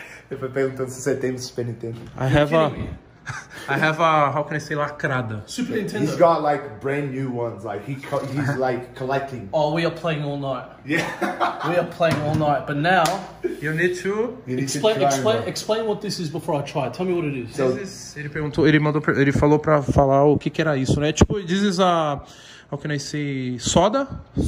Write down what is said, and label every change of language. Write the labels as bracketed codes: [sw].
[pt] Ele foi perguntando se você tem um Super Nintendo. [en] I have a, how can I say, lacrada. Super Nintendo. He's got like brand new ones, like he's like collecting. Oh, we are playing all night. Yeah. We are playing all night, but now. You need to explain what this is before I try. Tell me what it is. [pt] Ele falou pra falar o que era isso, né? [en] Tipo, this is a, how can I say, soda?